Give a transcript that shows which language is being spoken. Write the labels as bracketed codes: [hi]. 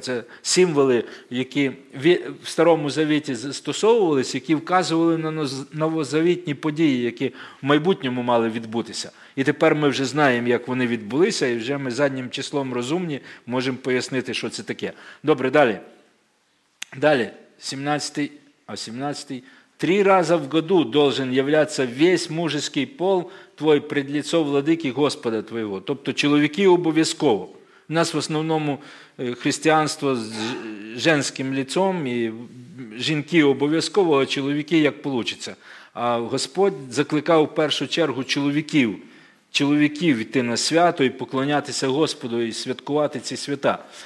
[uk] Це символи, які в Старому Завіті застосовувались, які вказували на новозавітні події, які в майбутньому мали відбутися. І тепер ми вже знаємо, як вони відбулися, і вже ми заднім числом розумні можемо пояснити, що це таке. Добре, далі. Далі, 17-й. [ru] Три рази в году должен являться весь мужеский пол твой пред лицо владыки Господа твоего. [uk] Тобто чоловіки обов'язково. У нас в основному християнство з женським лицом, і жінки обов'язково, а чоловіки як получиться. А Господь закликав в першу чергу чоловіків йти на свято і поклонятися Господу, і святкувати ці свята.